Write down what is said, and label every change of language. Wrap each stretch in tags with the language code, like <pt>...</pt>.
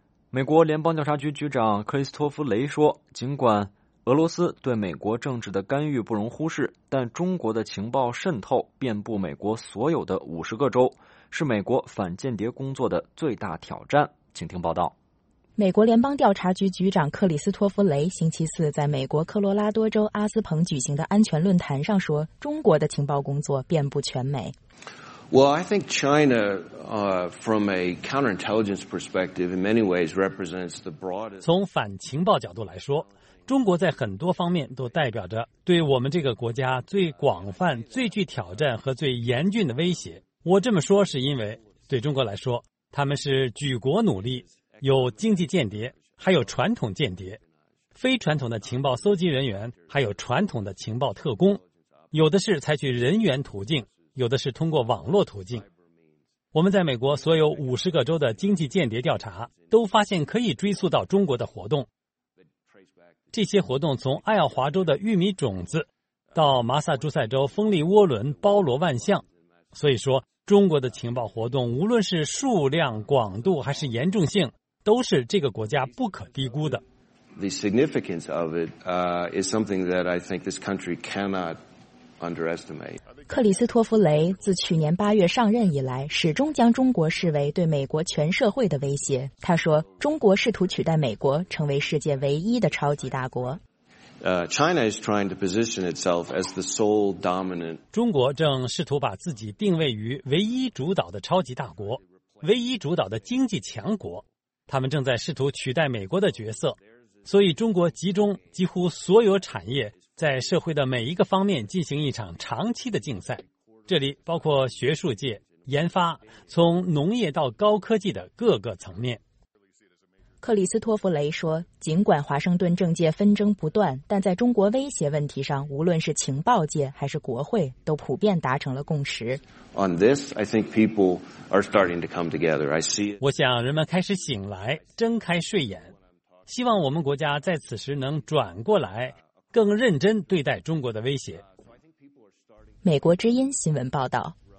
<zh>美国联邦调查局局长克里斯托弗雷说，尽管俄罗斯对美国政治的干预不容忽视，但中国的情报渗透遍布美国所有的50个州，是美国反间谍工作的最大挑战。请听报道。美国联邦调查局局长克里斯托弗雷星期四在美国科罗拉多州阿斯彭举行的安全论坛上说，中国的情报工作遍布全美。</zh> <en>Well, I think China, from a counterintelligence perspective, in many ways represents the broadest.</en> <zh>从反情报角度来说，中国在很多方面都代表着对我们这个国家最广泛、最具挑战和最严峻的威胁。我这么说是因为，对中国来说，他们是举国努力，有经济间谍，还有传统间谍，非传统的情报搜集人员，还有传统的情报特工，有的是采取人员途径，有的是通过网络途径。我们在美国所有50个州的经济间谍调查都发现可以追溯到中国的活动。这些活动从爱奥华州的玉米种子到马萨诸塞州风力涡轮包罗万象，所以说中国的情报活动无论是数量、广度还是严重性，都是这个国家不可低估的。</zh> <en>The significance of it is something that I think this country cannot underestimate。</en> <zh>克里斯托弗雷自去年8月上任以来，始终将中国视为对美国全社会的威胁。他说，中国试图取代美国，成为世界唯一的超级大国。</zh> <en>China is trying to position itself as the sole dominant。</en> <zh>中国正试图把自己定位于唯一主导的超级大国，唯一主导的经济强国。他们正在试图取代美国的角色，所以中国集中几乎所有产业，在社会的每一个方面进行一场长期的竞赛，这里包括学术界、研发，从农业到高科技的各个层面。克里斯托弗雷说，尽管华盛顿政界纷争不断，但在中国威胁问题上，无论是情报界还是国会，都普遍达成了共识。</zh> <en>On this, I think people are starting to come together. I see.</en> <zh>我想人们开始醒来，睁开睡眼，希望我们国家在此时能转过来，更认真对待中国的威胁。美国之音新闻报道。</zh>